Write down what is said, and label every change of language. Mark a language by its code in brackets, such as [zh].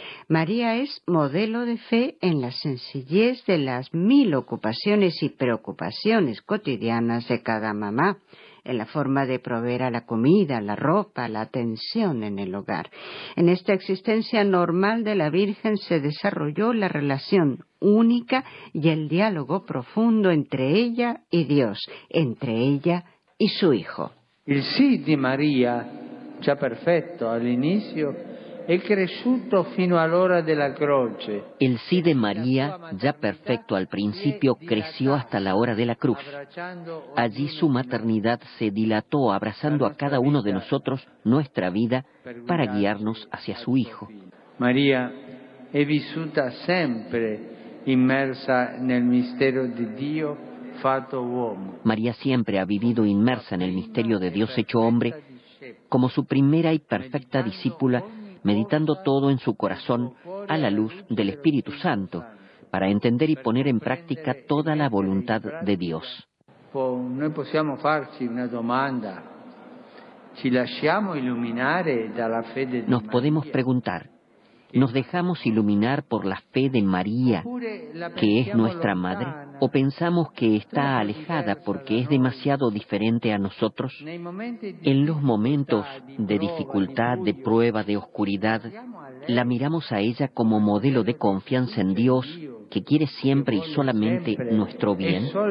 [es] María es modelo de fe en la sencillez de las mil ocupaciones y preocupaciones cotidianas de cada mamá, en la forma de proveer a la comida, la ropa, la atención en el hogar. En esta existencia normal de la Virgen se desarrolló la relación única y el diálogo profundo entre ella y Dios, entre ella y su Hijo. El sí de María, ya perfecto al inicio, [it] è cresciuto fino all'ora della croce. [es] El sí de María, ya perfecto al principio, creció hasta la hora de la cruz. Allí su maternidad se dilató abrazando a cada uno de nosotros nuestra vida para guiarnos hacia su Hijo. [it] María è vissuta sempre immersa nel mistero di Dio fatto uomo. [es] María siempre ha vivido inmersa en el misterio de Dios hecho hombre, como su primera y perfecta discípula, meditando todo en su corazón a la luz del Espíritu Santo, para entender y poner en práctica toda la voluntad de Dios. [it] Noi possiamo farci una domanda. Ci lasciamo illuminare dalla fede. [es] Nos podemos preguntar, ¿nos dejamos iluminar por la fe de María, que es nuestra madre, o pensamos que está alejada porque es demasiado diferente a nosotros? En los momentos de dificultad, de prueba, de oscuridad, ¿la miramos a ella como modelo de confianza en Dios, que quiere siempre y solamente nuestro bien?